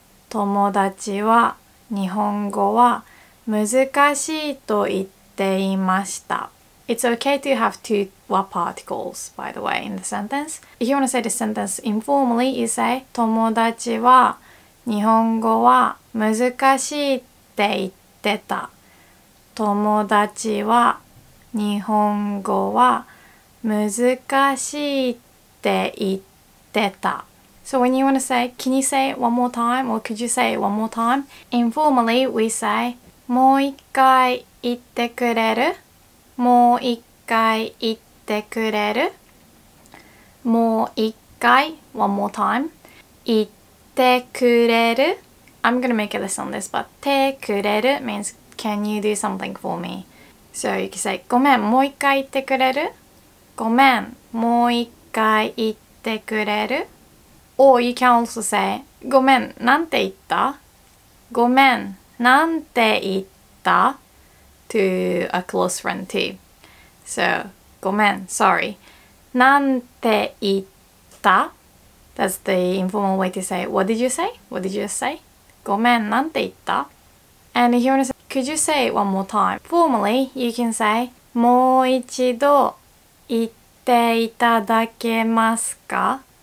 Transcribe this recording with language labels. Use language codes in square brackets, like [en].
[ja] 友達は日本語は難しいと言っていました.友達は日本語は 難しいと言っていました. [en] It's okay to have two wa particles, by the way, in the sentence. If you want to say the sentence informally, you say [ja] 友達は日本語は難しいって言ってた. 友達は日本語は難しいって言ってた. [en] So when you want to say, can you say it one more time? Or could you say it one more time? Informally, we say [ja] もう一回言ってくれる?もう一回言ってくれる? もう一回, [en] one more time. [ja] 言ってくれる? [en] I'm gonna make a list on this, but [ja] 言ってくれる [en] means can you do something for me? So you can say [ja] ごめん、もう一回言ってくれる?ごめん、もう一回言ってくれる? [en] Or you can also say [ja] ごめん、なんて言った? ごめん、なんて言った? [en] To a close friend too. So, ごめん, sorry. [ja] なんて言った? [en] That's the informal way to say, what did you say? What did you just say? [ja] ごめん、なんて言った? [en] And if you want to say, could you say it one more time? Formally, you can say, [ja] もう一度言っていただけますか?